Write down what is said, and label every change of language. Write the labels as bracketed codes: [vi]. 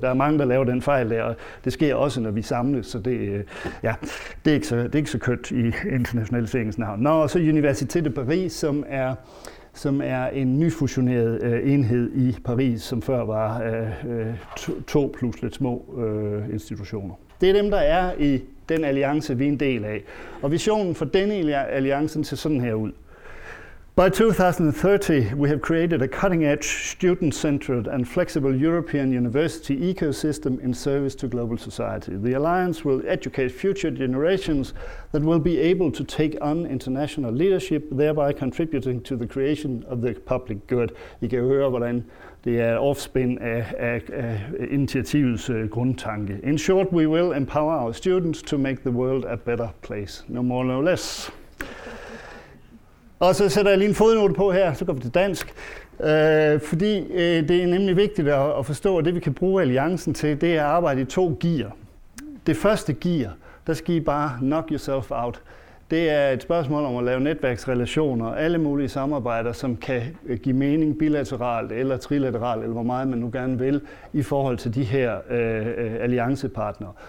[da] Der er mange, der laver den fejl der, og det sker også, når vi samles, så det, ja, det er ikke så kønt i internationale seriens navn. Nå, og så Universitetet Paris, som er en nyfusioneret enhed i Paris, som før var to plus lidt små institutioner. Det er dem, der er i den alliance, vi er en del af. Og visionen for denne alliance ser sådan her ud. [en] By 2030, we have created a cutting-edge, student-centered and flexible European university ecosystem in service to global society. The alliance will educate future generations that will be able to take on international leadership, thereby contributing to the creation of the public good. [da] I kan høre, hvordan det er offspin af initiativets grundtanke. [en] In short, we will empower our students to make the world a better place. No more, no less. [da] Og så sætter jeg lige en fodnote på her, så går vi til dansk. Fordi det er nemlig vigtigt at forstå, at det vi kan bruge alliancen til, det er at arbejde i to gear. Det første gear, der skal I bare [en] knock yourself out. [da] Det er et spørgsmål om at lave netværksrelationer, alle mulige samarbejder, som kan give mening bilateralt eller trilateralt, eller hvor meget man nu gerne vil, i forhold til de her alliancepartnere.